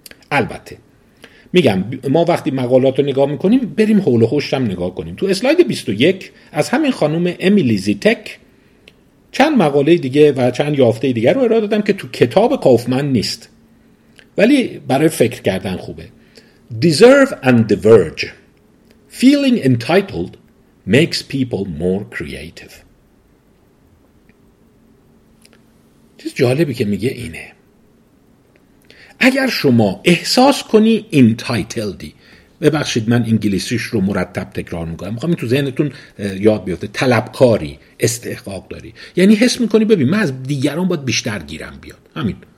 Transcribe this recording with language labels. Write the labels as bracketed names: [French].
[Persian] البته میگم ما وقتی مقالات رو نگاه میکنیم بریم حول و حوشت هم نگاه کنیم. تو اسلاید 21 از همین خانم امیلی زیتک چند مقاله دیگه و چند یافته دیگر رو ارائه دادم که تو کتاب کافمن نیست، ولی برای فکر کردن خوبه. [English] Deserve and diverge. Feeling entitled makes people more creative. [Persian] چیز جالبی که میگه اینه، اگر شما احساس کنی entitledی، ببخشید من انگلیسیش رو مرتب تکرار میکنم، میخوام این تو ذهنتون یاد بیفته، طلبکاری، استحقاق داری، یعنی حس میکنی ببین من از دیگران باید بیشتر گیرم بیاد، همین.